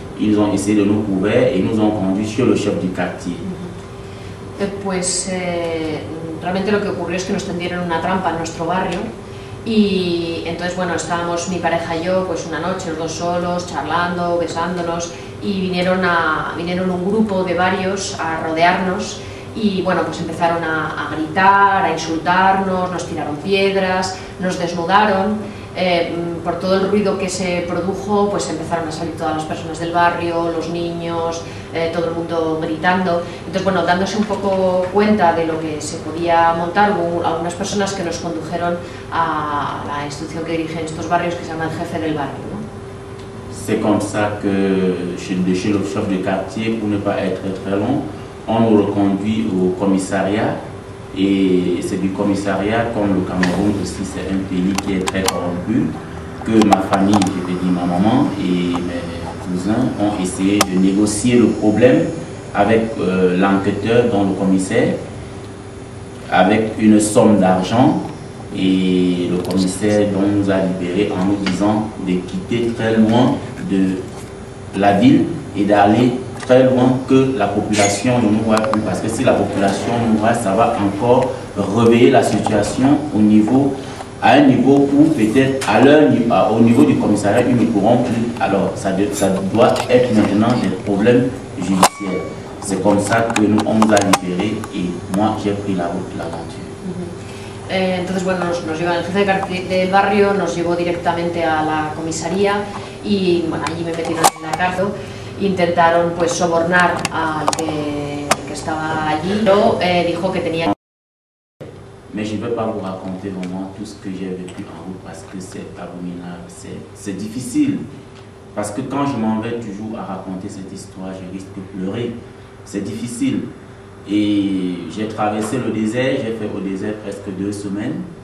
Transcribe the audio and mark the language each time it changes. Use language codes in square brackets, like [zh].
[fr] Ils ont essayé de nous couvrir et nous ont conduits chez le chef du quartier. [es] Pues realmente lo que ocurrió es que nos tendieron una trampa en nuestro barrio y entonces bueno, estábamos mi pareja y yo pues una noche los dos solos charlando, besándonos y vinieron un grupo de varios a rodearnos y bueno, pues empezaron a gritar, a insultarnos, nos tiraron piedras, nos desnudaron. Por todo el ruido que se produjo, pues empezaron a salir todas las personas del barrio, los niños, todo el mundo gritando. Entonces, bueno, dándose un poco cuenta de lo que se podía montar, hubo algunas personas que nos condujeron a la institución que dirige en estos barrios, que se llama el jefe del barrio, ¿no? [fr] C'est comme ça que je dejé le chef de quartier, pour ne pas être très long, on nous reconduit au commissariat. Et c'est du commissariat, comme le Cameroun aussi, c'est un pays qui est très corrompu, que ma famille, je vais dire ma maman et mes cousins, ont essayé de négocier le problème avec l'enquêteur, dont le commissaire, avec une somme d'argent. Et le commissaire donc, nous a libérés en nous disant de quitter très loin de la ville et d'aller très loin que la population ne nous voit plus, parce que si la population nous voit, ça va encore réveiller la situation à un niveau où peut-être au niveau du commissariat, ils ne pourront plus. Alors ça doit être maintenant des problèmes judiciaires. C'est comme ça que nous on nous a libérés et moi j'ai pris la route de l'aventure. [es] Entonces bueno, nos lleva el jefe del barrio, nos llevó directamente a la comisaría y bueno, allí me metieron en la cárcel. Intentaron pues sobornar al que estaba allí, pero dijo que tenía. [fr] Mais je ne vais pas vous raconter vraiment tout ce que j'ai vécu en route parce que c'est abominable, c'est difficile. Parce que quand je m'en vais toujours à raconter cette histoire, je risque de pleurer. C'est difficile. Et j'ai traversé le désert, j'ai fait au désert presque 2 semaines.